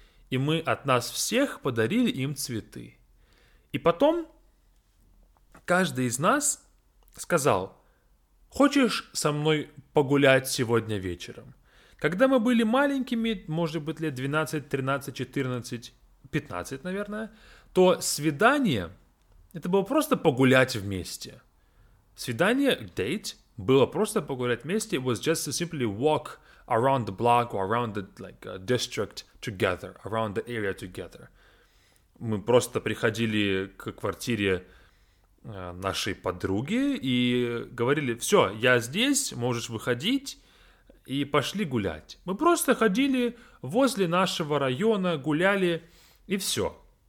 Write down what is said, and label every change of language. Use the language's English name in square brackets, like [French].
[Russian] И мы от нас всех подарили им цветы. И потом каждый из нас сказал: «Хочешь со мной погулять сегодня вечером?» Когда мы были маленькими, может быть, лет 12, 13, 14, 15, наверное, то свидание, это было просто погулять вместе. Свидание, date, было просто погулять вместе. [English] It was just to simply walk around the block or around the district together, around the area together. [Russian] Мы просто приходили к квартире нашей подруги и говорили: «Все, я здесь, можешь выходить», и пошли гулять. Мы просто ходили возле нашего района, гуляли, и все.